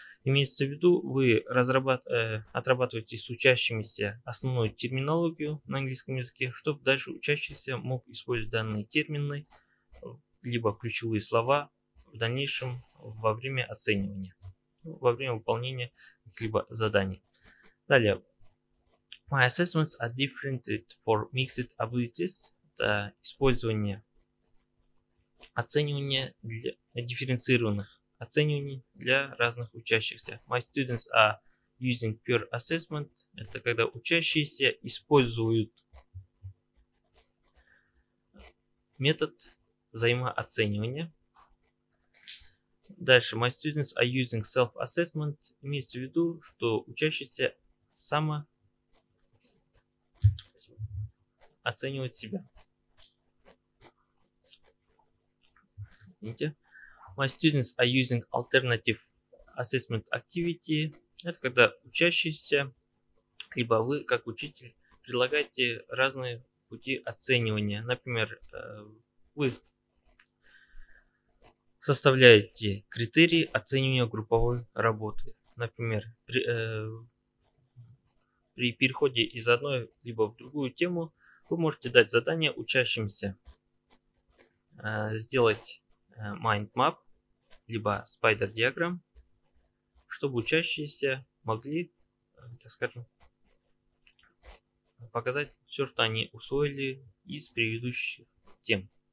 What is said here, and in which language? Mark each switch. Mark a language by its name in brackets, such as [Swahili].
[Russian] Имеется в виду, вы отрабатываете с учащимися основную терминологию на английском языке, чтобы дальше учащийся мог использовать данные термины, либо ключевые слова в дальнейшем во время оценивания, во время выполнения каких-либо заданий. Далее. [English] My assessments are different for mixed abilities. [Russian] Это использование оценивания для дифференцированных оцениваний для разных учащихся. [English] My students are using peer assessment. [Russian] Это когда учащиеся используют метод взаимооценивания. Дальше. [English] My students are using self-assessment. [Russian] Имеется в виду, что учащийся оценивать себя. Видите? [English] My students are using alternative assessment activity. [Russian] Это когда учащиеся, либо вы, как учитель, предлагаете разные пути оценивания. Например, вы составляете критерии оценивания групповой работы. Например, при переходе из одной либо в другую тему вы можете дать задание учащимся сделать mind map либо spider diagram, чтобы учащиеся могли, так скажем, показать все, что они усвоили из предыдущих тем.